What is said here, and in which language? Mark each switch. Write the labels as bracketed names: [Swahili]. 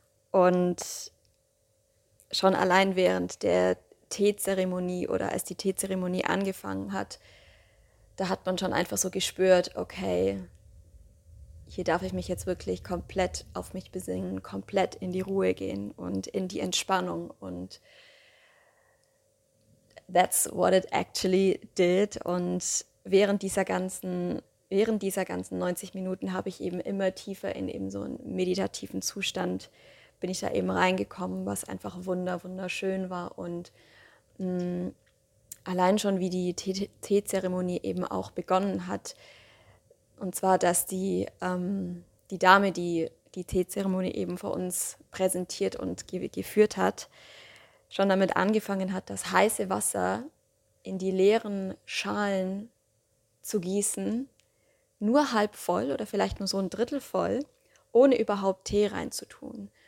[German] Und schon allein während der Teezeremonie oder als die Teezeremonie angefangen hat, da hat man schon einfach so gespürt, okay, hier darf ich mich jetzt wirklich komplett auf mich besinnen, komplett in die Ruhe gehen und in die Entspannung. [English] Und that's what it actually did. [German] Und während dieser ganzen 90 Minuten habe ich eben immer tiefer in eben so einen meditativen Zustand, bin ich da eben reingekommen, was einfach wunderschön war. Und allein schon, wie die Teezeremonie eben auch begonnen hat, und zwar, dass die Dame, die die Teezeremonie eben vor uns präsentiert und geführt hat, schon damit angefangen hat, das heiße Wasser in die leeren Schalen zu gießen, nur halb voll oder vielleicht nur so ein Drittel voll, ohne überhaupt Tee reinzutun.